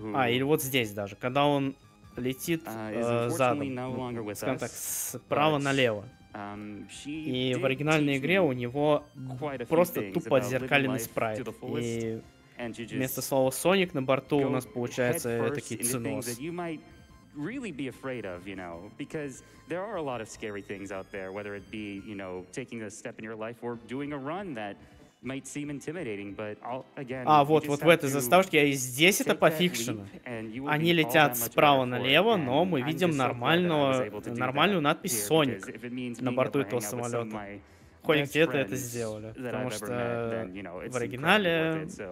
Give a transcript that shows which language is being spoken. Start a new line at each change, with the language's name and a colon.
Russian: А, или вот здесь даже, когда он летит задом, скажем так, справа налево. И в оригинальной игре у него просто тупо отзеркаленный спрайт. И вместо слова «Соник» на борту у нас получается такие «Ценос».
English: Really be afraid of, you know, because there are a lot of scary things out there, whether it be, you know, taking a step in your life or doing a run that might seem intimidating, but I'll, again...
Russian: А, вот в этой заставочке, и здесь это пофикшено. Они летят справа налево, но мы видим нормальную надпись «Соник» на борту этого самолета. Хоть где-то это сделали, потому что в оригинале...